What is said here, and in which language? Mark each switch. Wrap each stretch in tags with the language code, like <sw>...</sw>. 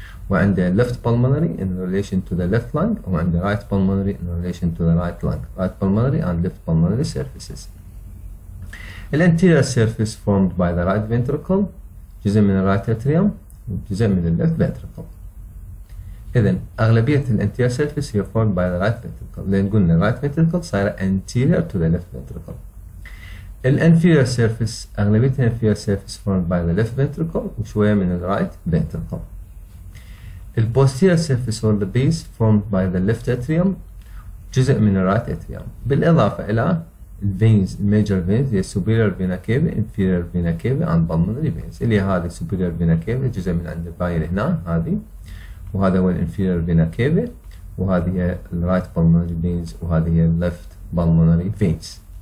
<en>وعند left pulmonary in relation to the left lung, وعند right pulmonary in relation to the right lung, right pulmonary and left pulmonary surfaces. الانتيرير surface formed by the right ventricle,</en> <ar>جزء من الرايت اتريوم وجزء من الليفت فنتركل. إذا أغلبية الـ anterior surface هي</ar> <en>formed by the right ventricle،</en> <ar>لأن قلنا الـ right ventricle صايرة anterior to the left ventricle. الـ inferior surface أغلبية الـ inferior surface formed by the left ventricle وشوية من الـ right ventricle. الـ</ar> <en>posterior surface or the base formed by the left atrium</en> <ar>جزء من الـ right atrium، بالإضافة إلى الـ veins الـ major veins هي</ar> <en>superior vena cava inferior vena cava and pulmonary veins،</en> <ar>اللي هذه superior vena cava جزء من عند الباير هنا هذه، وهذا هو الانفيرير فينا كيفي، وهذه هي الرايت بالمونري فينز، وهذه هي اللفت بالمونري فينز.</ar>